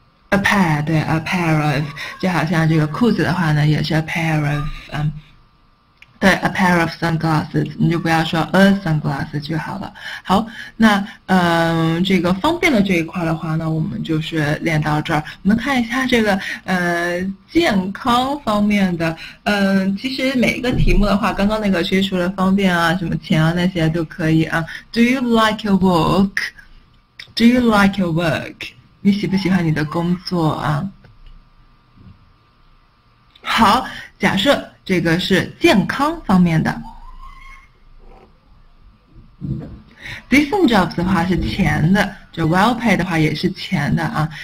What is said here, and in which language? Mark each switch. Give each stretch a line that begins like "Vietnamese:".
Chinese: A pair，对，a pair of，就好像这个裤子的话呢，也是 a pair of，对，
English: a pair of sunglasses，
Chinese: 你就不要说 a sunglasses 就好了。好，那这个方便的这一块的话呢，我们就是练到这儿。我们看一下这个健康方面的，其实每一个题目的话，刚刚那个其实除了方便啊，什么钱啊那些都可以啊。
English: Do you like your work？Do you like your work？
Chinese: 你喜不喜欢你的工作啊？好，假设这个是健康方面的，decent jobs 的话是钱的，就 well paid 的话也是钱的啊。